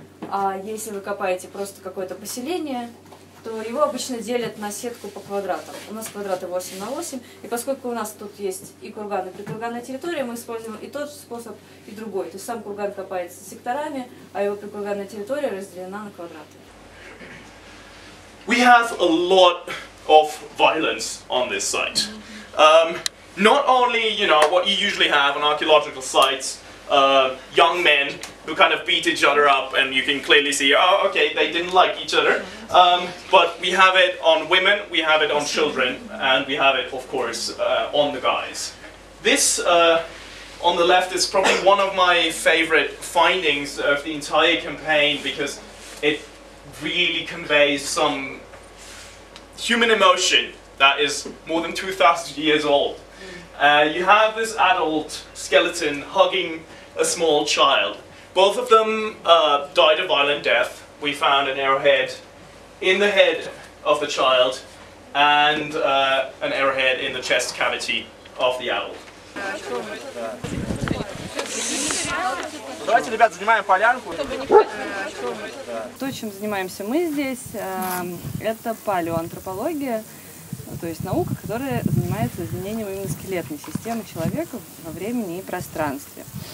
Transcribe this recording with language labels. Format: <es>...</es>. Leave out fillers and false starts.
<ru>А если вы копаете просто какое-то поселение, то его обычно делят на сетку по квадратам. У нас квадраты 8 на 8, и поскольку у нас тут есть и курган, и прикурганная территория, мы используем и тот способ, и другой. То есть сам курган копается секторами, а его прикурганная территория разделена на квадраты.</ru> <en>We have a lot of violence on this site. Not only, you know, what you usually have on archaeological sites, young men who kind of beat each other up, and you can clearly see, oh, okay, they didn't like each other. But we have it on women, we have it on children, and we have it, of course, on the guys. This on the left is probably one of my favorite findings of the entire campaign because it really conveys some human emotion that is more than 2,000 years old. You have this adult skeleton hugging a small child. Both of them died a violent death. We found an arrowhead in the head of the child and an arrowhead in the chest cavity of the adult.</en> <ru>Давайте, ребят, занимаем полянку. То, чем занимаемся мы здесь, это палеоантропология, то есть наука, которая занимается изменением именно скелетной системы человека во времени и пространстве.</ru>